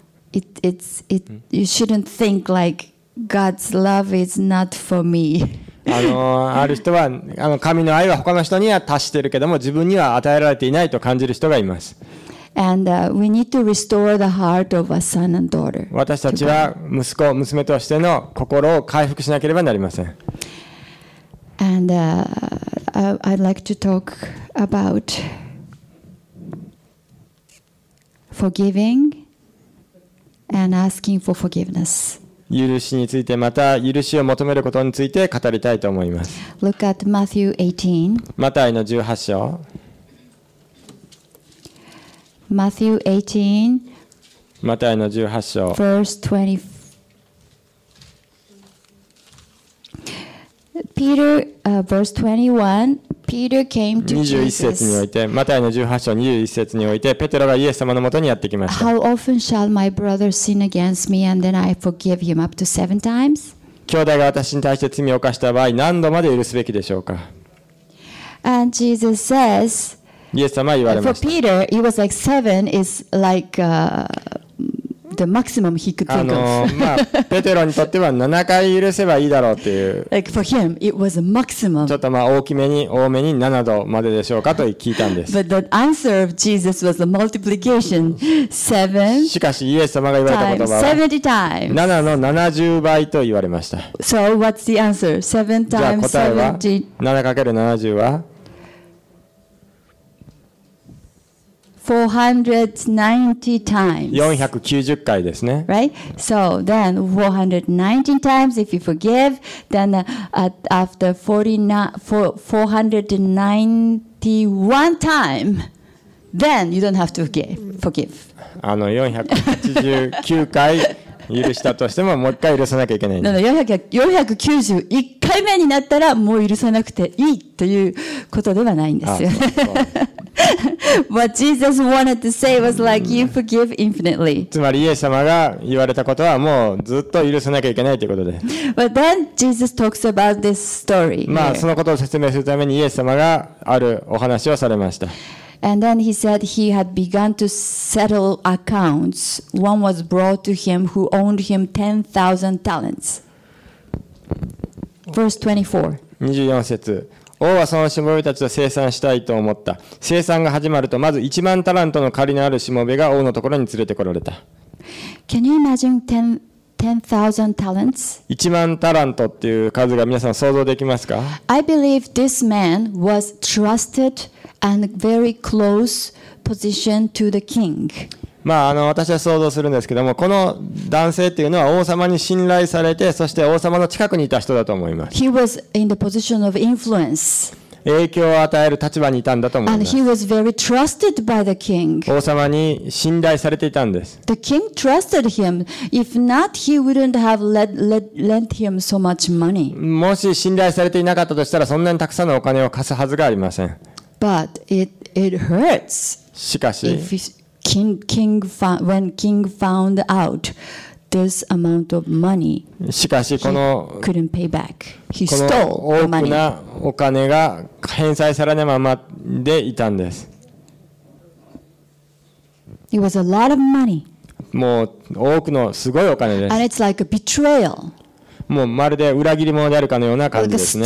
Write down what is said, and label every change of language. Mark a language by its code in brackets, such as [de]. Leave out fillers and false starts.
[en] It's you shouldn't think like God's love is not for me. [ja] ある人は神の愛は他の人には達しているけども自分には与えられていないと感じる人がいます。 [en] We need to restore the heart of a son and daughter. [ja] 私たちは息子娘としての心を回復しなければなりません。 [en] And I'd like to talk about forgiving and asking for forgiveness. [ja] 許しについて、また許しを求めることについて語りたいと思います。 [en] Look at Matthew 18. [ja] マタイの十八章。 [en] Matthew 18, [ja] マタイの18章 [en] verse 20. Peter, verse 21, Peter came to Jesus. 21 [ja] 節において、マタイの18章21節において、ペテロがイエス様のもとにやってきました。 [en] How often shall my brother sin against me and then I forgive him up to seven times? [ja] 兄弟が私に対して罪を犯した場合、何度まで許すべきでしょうか。 [en] And Jesus says, [ja] イエス様は言われました。 [en] For Peter, it was like seven is like the maximum he could think of. [ja] ペテロにとっては7回許せばいいだろうっていう。 [en] Like for him, it was a maximum. [ja] ちょっと大きめに多めに7度まででしょうかと聞いたんです。 [en] But the answer of Jesus was a multiplication seven. [ja] しかしイエス様が言われた言葉は [en] 70 times. [ja] 7の70倍と言われました。 [en] So what's the answer? Seven times 70. [ja] 7かける70は 490 回ですね。 [en] Right? So then 490 times if you forgive, then after 491 time, then you don't have to forgive. [ja] 489回許したとしてももう一回許さなきゃいけないんです。 491回目になったらもう許さなくていいということではないんですよ。そうそう。 [en] What Jesus wanted to say was like you forgive infinitely. [ja] つまりイエス様が言われたことはもうずっと許さなきゃいけないということで。 [en] But then Jesus talks about this story. [ja] まあそのことを説明するためにイエス様があるお話をされました。 [en] And then he said he had begun to settle accounts. One was brought to him who owed him 10,000 talents. Verse [ja] 24. 24節。王はそのしもべたちと清算したいと思った。清算が始まると、まず1万タラントの借りのあるしもべが王のところに連れてこられた。 [en] Can you imagine 10,000 talents? [ja] 1万タラントっていう数が皆さん想像できますか? [en] I believe this man was trusted and very close position to the king. [ja] まあ、私は想像するんですけども、この男性っていうのは王様に信頼されて、そして王様の近くにいた人だと思います。 [en] He was in the position of influence. [ja] 影響を与える立場にいたんだと思います。 [en] And he was very trusted by the king. [ja] 王様に信頼されていたんです。 [en] The king trusted him. If not, he wouldn't have lent him so much money. [ja] もし信頼されていなかったとしたら、そんなにたくさんのお金を貸すはずがありません。 [en] But it hurts. [ja] しかし、 [en] When King found out this amount of money, [ja] しかしこの [en] he couldn't pay back. He stole the money. [ja] この大きなお金が返済されないままでいたんです。 [en] It was a lot of money. [ja] もう多くのすごいお金です。 [en] And it's like a betrayal. [ja] もうまるで裏切り者であるかのような感じですね。